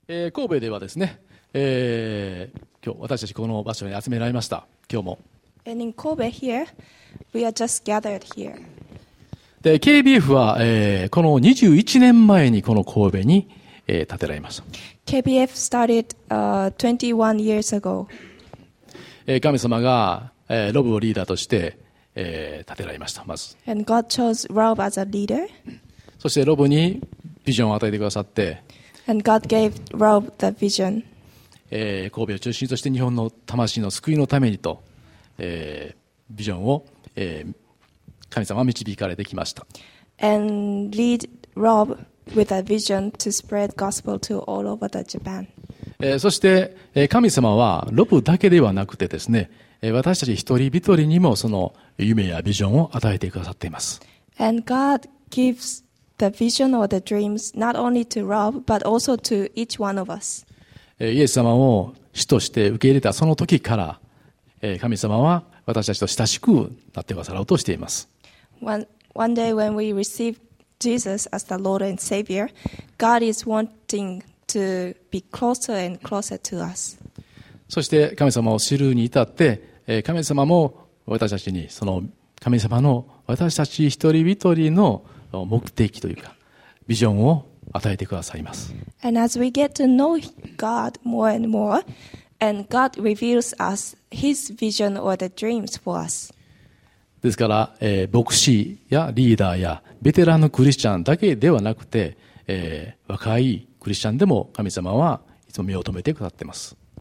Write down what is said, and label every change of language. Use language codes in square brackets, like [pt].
[ja] 神戸ではですね、今日私たちこの場所に集められました。今日も [en] And in Kobe here, we are just gathered here. [ja] で KBF は、この21年前にこの神戸に、建てられました。 [en] KBF started 21 years ago. [ja] 神様が、ロブをリーダーとして、建てられました。まず [en] And God chose Rob as a leader. [ja] そしてロブにビジョンを与えてくださって、 [en] And God gave Rob the vision. [ja] 神戸を中心として日本の魂の救いのためにと、ビジョンを、神様は導かれてきました。 [en] And lead Rob with a vision to spread gospel to all over the Japan. [ja] そして、神様はロブだけではなくてですね、私たち一人一人にもその夢やビジョンを与えてくださっています。 [en] And God gives the vision or the dreams not only to Rob but also to each one of us. [ja] イエス様を主として受け入れたその時から、神様は私たちと親しくなってくださろうとしています。 [en] One day when we receive Jesus as the Lord and Savior, God is wanting to be closer and closer to us. [ja] そして神様を知るに至って、神様も私たちにその神様の私たち一人一人の目的というかビジョンを与えてくださいます。 [en] And as we get to know God more and more, and God reveals us His vision or the dreams for us. [ja] ですから、牧師やリーダーやベテランのクリスチャンだけではなくて、若いクリスチャンでも神様はいつも目を留めてくださっています。